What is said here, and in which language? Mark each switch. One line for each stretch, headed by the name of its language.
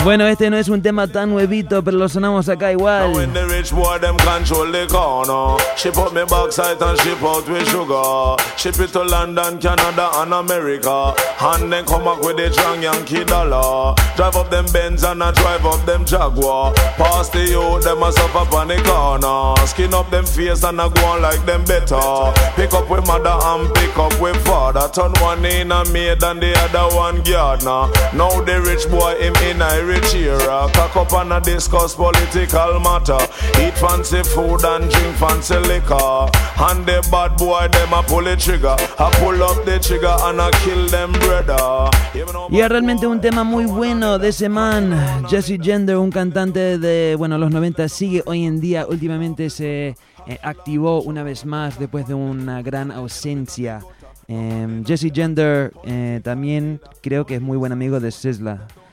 Spanish: Bueno, este no es un tema tan nuevito, pero lo sonamos acá igual.
English: When the rich boy, them control the corner. She put me bauxite and she put me sugar. Ship it to London, Canada and America. And then come back with the drunk Yankee dollar. Drive up them Benz and I drive up them Jaguar. Pass the youth, them a suffer pan the corner. Skin up them face and I go on like them better. Pick up with mother and pick up with father. Turn one in a maid and the other one gardener. Now the rich boy him in Irish era. Cock up and a discuss political matter. Eat fancy food and drink fancy liquor. And the bad boy them a pull the trigger. I pull up the trigger and I kill them brother.
Spanish: Y es realmente un tema muy bueno de ese man, Jesse Gender, un cantante de, bueno, los 90, sigue hoy en día, últimamente se activó una vez más después de una gran ausencia. Jesse Gender también creo que es muy buen amigo de SZA.